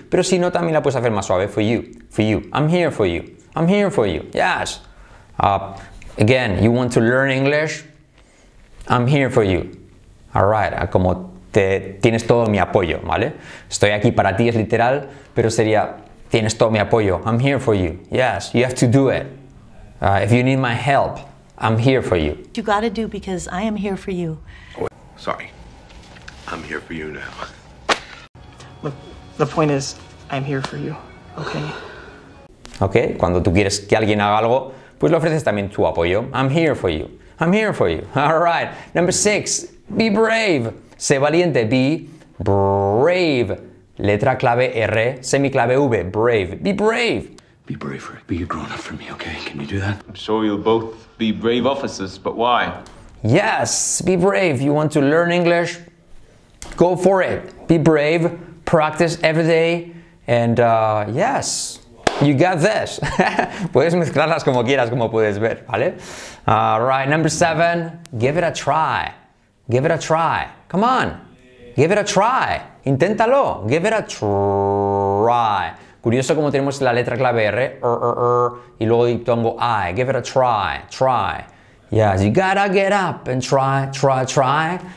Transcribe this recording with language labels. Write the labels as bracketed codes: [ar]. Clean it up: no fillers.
[en] Pero si no, también la puedes hacer más suave, for you. For you. I'm here for you. I'm here for you. Yes. Again, you want to learn English? I'm here for you. All right. [es] Como te tienes todo mi apoyo, ¿vale? Estoy aquí para ti, es literal, pero sería, tienes todo mi apoyo. [en] I'm here for you. Yes, you have to do it. If you need my help, I'm here for you. You gotta do because I am here for you. Sorry. I'm here for you now. Look, the point is, I'm here for you, okay? [es] Okay, cuando tú quieres que alguien haga algo, pues le ofreces también tu apoyo. [en] I'm here for you. I'm here for you. All right. Number 6. Be brave. Sé valiente. Be brave. Letra clave R, semiclave V. Brave. Be brave. Be brave, Rick. Be a grown-up for me, okay? Can you do that? I'm sure you'll both be brave officers, but why? Yes, be brave. You want to learn English? Go for it. Be brave. Practice every day. And yes, you got this. [es] Puedes mezclarlas como quieras, como puedes ver, ¿vale? [en] All right, number 7. Give it a try. Give it a try. Come on. Give it a try. Inténtalo. Give it a try. [es] Curioso como tenemos la letra clave R, y luego diptongo I. [en] Give it a try, try. Yes, you gotta get up and try, try, try.